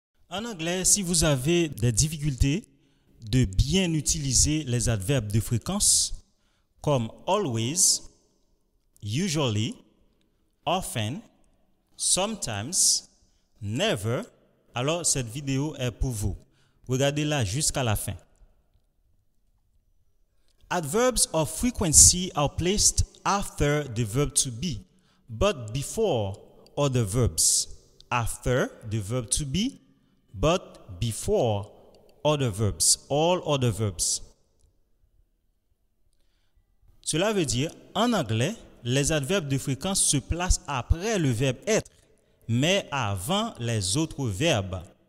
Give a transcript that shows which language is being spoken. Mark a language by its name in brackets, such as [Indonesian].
[French] En anglais, si vous avez des difficultés de bien utiliser les adverbes de fréquence comme [English] always, usually, often, sometimes, never, [French] alors cette vidéo est pour vous. Regardez-la jusqu'à la fin. [English] Adverbs of frequency are placed after the verb to be, but before other verbs. After the verb to be, but before other verbs, all other verbs. [French] Cela veut dire, en anglais, les adverbes de fréquence se placent après le verbe être, mais avant les autres verbes.